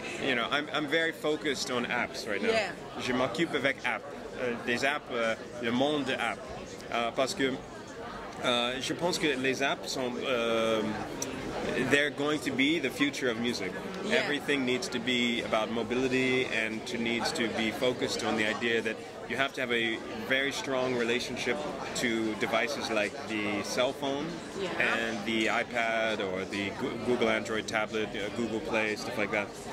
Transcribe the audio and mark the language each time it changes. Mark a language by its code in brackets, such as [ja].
[en] You know, I'm very focused on apps right now. Yeah. [fr] Je m'occupe avec apps. Des apps, le monde des apps. Parce que je pense que les apps sont. [en] They're going to be the future of music. Yeah. Everything needs to be about mobility and to needs to be focused on the idea that. You have to have a very strong relationship to devices like the cell phone and the iPad or the Google Android tablet, Google Play, stuff like that.